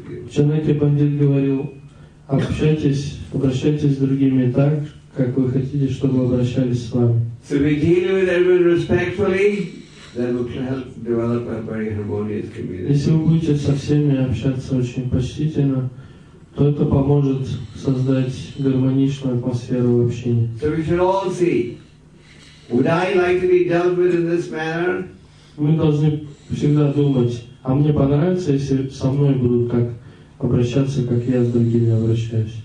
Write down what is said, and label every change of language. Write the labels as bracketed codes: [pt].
[ru] Чанаки Пандит говорил, общайтесь, обращайтесь с другими так, как вы хотите, чтобы обращались с вами. [en] So we deal with everyone respectfully, then we can help develop a very harmonious community. [ru] Если вы будете со всеми общаться очень почтительно, то это поможет создать гармоничную атмосферу в общине. [en] So we should all see, would I like to be dealt with in this manner? [ru] Мы должны всегда думать, а мне понравится, если со мной будут так обращаться, как я с другими обращаюсь?